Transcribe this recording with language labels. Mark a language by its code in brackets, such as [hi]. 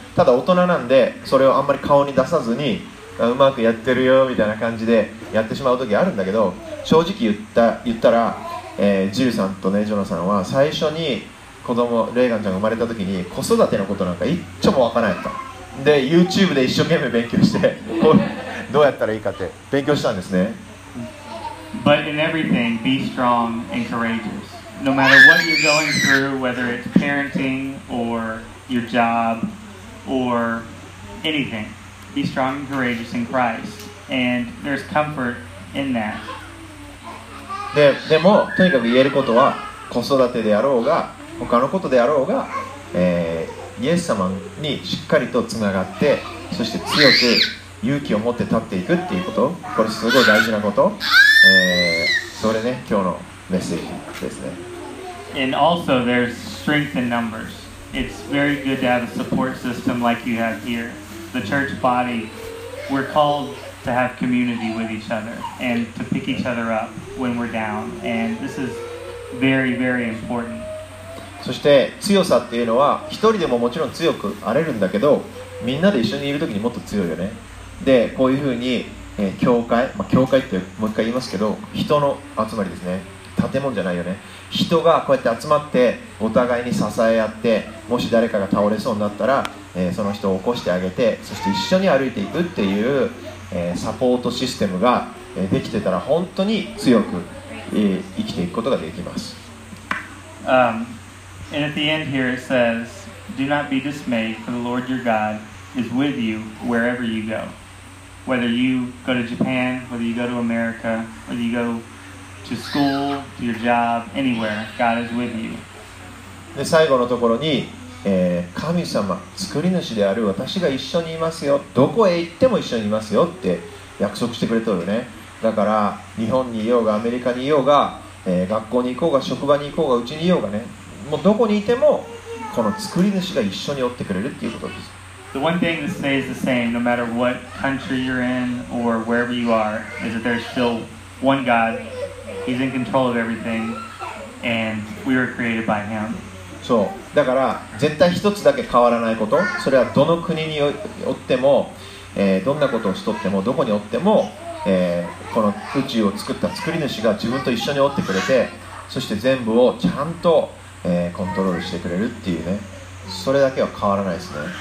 [ja] ただ大人なんでそれをあんまり顔に出さずにうまくやってるよみたいな感じでやってしまう時があるんだけど、正直言ったら、ジルさんとね、ジョナさんは最初に子供レーガンちゃんが生まれた時に子育てのことなんか一丁もわからないと。で、 YouTube で一生懸命勉強してどうやったらいいかって勉強したんですね。 [en] But in everything be strong and courageousNo matter what you're going through, whether it's parenting or your job or anything, be strong and courageous in Christ. And there's comfort in that. [ja] でも、とにかく言えることは、子育てであろうが、他のことであろうが、イエス様にしっかりとつながって、そして強く勇気を持って立っていくっていうこと、これすごい大事なこと。それね、今日のメッセージですね。 [en] And also there's strength in numbers. It's very good to have a support system like you have here. The church body, we're called to have community with each other and to pick each other up when we're down. And this is very, very important. [ja] そして強さっていうのは一人でももちろん強くあれるんだけど、みんなで一緒にいるときにもっと強いよね。で、こういうふうに、教会、まあ、教会ってもう一回言いますけど、人の集まりですね。建物じゃないよね。人がこうやって集まって、お互いに支え合って、もし誰かが倒れそうになったら、その人を起こしてあげて、そして一緒に歩いていくっていう、サポートシステムができてたら、本当に強く、生きていくことができます。 [en] And at the end here it says, Do not be dismayed, for the Lord your God is with you wherever you go. Whether you go to Japan, whether you go to America, whether you go to school, to your job, anywhere, God is with you. [ja] で、最後のところに、神様、作り主である私が一緒にいますよ。どこへ行っても一緒にいますよって約束してくれてるよね。だから、日本にいようが、アメリカにいようが、学校に行こうが、職場に行こうが、うちにいようがね。もうどこにいてもこの作り主が一緒におってくれるっていうことです。 [en] The one thing that stays the same, no matter what country you're in or wherever you are, is that there's still one God. He's in control of everything, and we were created by Him. [ja] そう。だから絶対一つだけ変わらないこと、それはどの国におっても、どんなことをしとっても、どこにおっても、この宇宙を作った作り主が自分と一緒におってくれて、そして全部をちゃんとコントロールしてくれるっていうね、それだけは変わらないですね。